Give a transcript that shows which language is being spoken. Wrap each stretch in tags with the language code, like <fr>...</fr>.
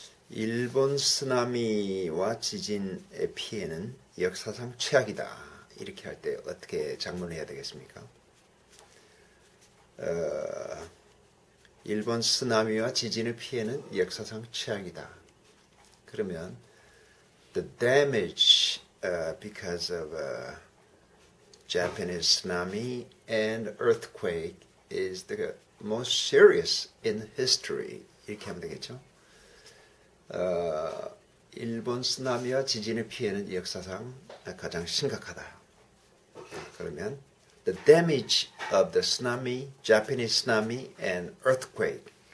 <ko>일본 쓰나미와 지진의 피해는 역사상 최악이다. 이렇게 할 때 어떻게 작문해야 되겠습니까? 일본 쓰나미와 지진의 피해는 역사상 최악이다. 그러면</ko> <en>the damage because of a Japanese tsunami and earthquake is the most serious in history</en> <ko>이렇게 하면 되겠죠? 일본 쓰나미와 지진의 피해는 역사상 가장 심각하다. 그러면</ko> <en>the damage of the tsunami, Japanese tsunami and earthquake.</en>